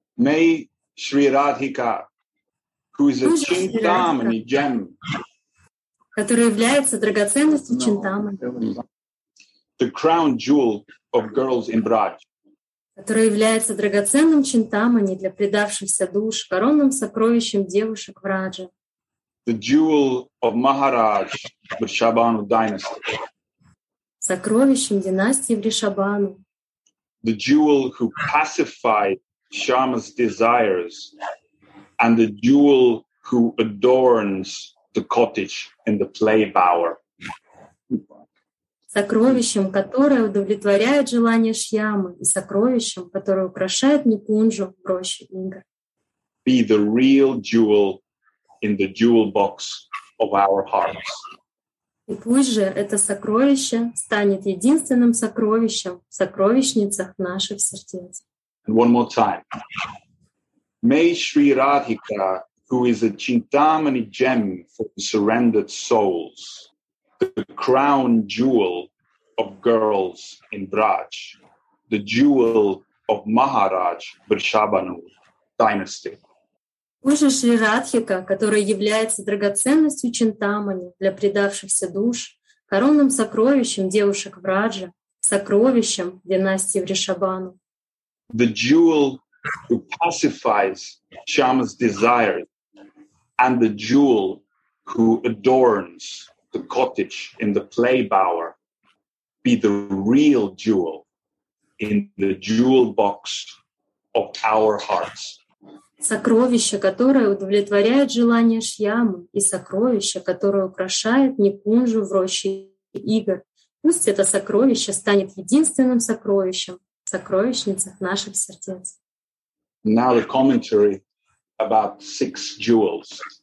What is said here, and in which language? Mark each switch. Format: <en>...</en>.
<en>May Sri Radhika, who is a Chintamani gem, the crown jewel of girls in Braj, the jewel of Maharaj Vrishabhanu dynasty,</en> <ru>сокровищем династии Вришабану,</ru> <en>the jewel who pacified Shama's desires and the jewel who adorns the cottage and the play bower.</en> <ru>Сокровищем, которое удовлетворяет желания Шьямы, и сокровищем, которое украшает Никунджу в роще Ингар.</ru> <en>Be the real jewel in the jewel box of our hearts.</en> <ru>И пусть же это сокровище станет единственным сокровищем в сокровищницах наших сердец.</ru> <en>And one more time. May Sri Radhika, who is a Chintamani gem for the surrendered souls, the crown jewel of girls in Braj, the jewel of Maharaj Vrishabhanu dynasty.</en> <ru>Уже Шри Радхика, которая является драгоценностью Чинтамани для предавшихся душ, коронным сокровищем девушек Враджа, сокровищем династии Вришабану.</ru> <en>The jewel who pacifies Shama's desires and the jewel who adorns the cottage in the play bower be the real jewel in the jewel box of our hearts.</en> <ru>Сокровище, которое удовлетворяет желание Шьямы, и сокровище, которое украшает Никунджу в роще игр. Пусть это сокровище станет единственным сокровищем в сокровищницах наших сердец.</ru> <en>Now the commentary about six jewels.</en>